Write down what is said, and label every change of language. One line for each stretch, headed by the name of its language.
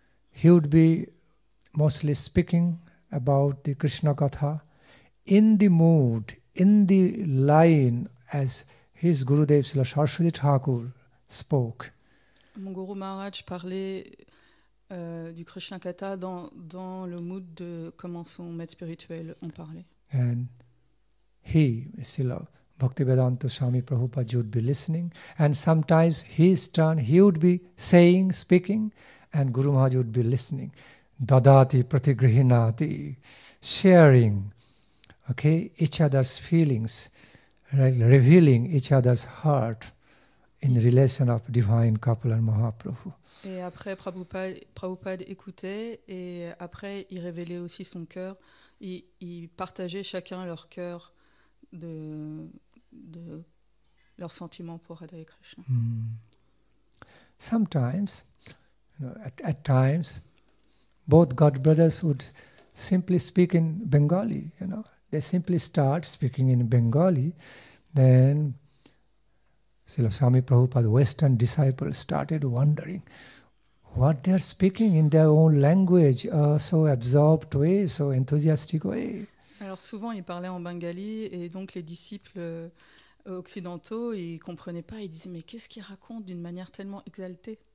English: He would be mostly speaking about the Krishna Katha in the mood, in the line, as his Gurudev Srila Saraswati Thakur spoke.
French: Mon Guru Maharaj parlait du Krishna Katha dans le mood de comment son maître spirituel en parlait.
English: And he, Srila Bhaktivedanta Swami Prabhupada, would be listening, and sometimes his turn, he would be saying, speaking, and Guru Maharaj would be listening.
Sanskrit: Dadati pratigrihinati,
English: sharing, okay, each other's feelings, revealing each other's heart in the relation of divine couple and Mahaprabhu.
French: Et après, Prabhupada écoutait, et après, il révélait aussi son cœur. Ils partageaient chacun leur cœur de leurs sentiments pour Radha et Krishna. Mm.
English: Sometimes, you know, at times, both God brothers would simply speak in Bengali, you know. They simply start speaking in Bengali, then Srila Swami Prabhupada, Western disciples, started wondering what they are speaking in their own language, so absorbed way, so enthusiastic way.
French: Alors souvent ils parlaient en Bengali, et donc les disciples occidentaux, ils comprenaient pas, ils disaient, mais qu'est-ce qu'ils racontent d'une manière tellement exaltée?